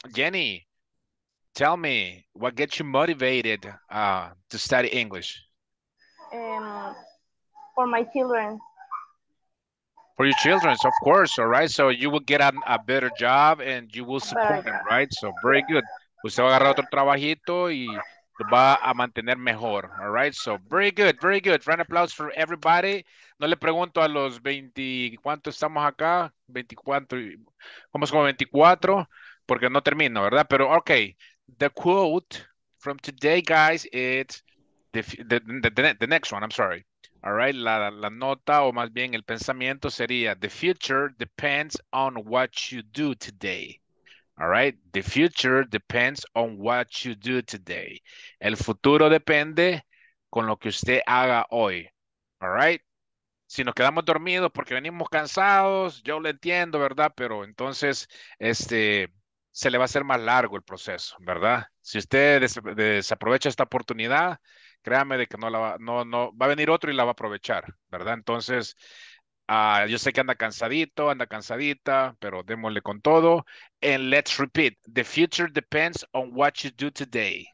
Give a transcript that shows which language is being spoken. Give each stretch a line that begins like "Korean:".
English: Jenny, tell me what gets you motivated to study English? For my children. For your children, of course, all right? So you will get a better job and you will support them, right? So very good.
Spanish: Usted va a agarrar otro trabajito y lo va a mantener mejor,
English: all right? So very good, very good. Round of applause for everybody.
Spanish: No le pregunto a los 20, ¿cuánto estamos acá? 24, vamos como 24, porque no termino, ¿verdad? Pero,
English: okay, the quote from today, guys, it's the next one, I'm sorry. All right,
Spanish: la nota o más bien el pensamiento sería
English: the future depends on what you do today. All right, the future depends on what you do today.
Spanish: El futuro depende con lo que usted haga hoy.
English: All right,
Spanish: si nos quedamos dormidos porque venimos cansados, yo lo entiendo, ¿verdad? Pero entonces se le va a hacer más largo el proceso, ¿verdad? Si usted desaprovecha esta oportunidad, créame de que no la va, no va a venir otro y la va a aprovechar, ¿verdad? Entonces, yo sé que anda cansadito, anda cansadita, pero démosle con todo.
English: And let's repeat. The future depends on what you do today.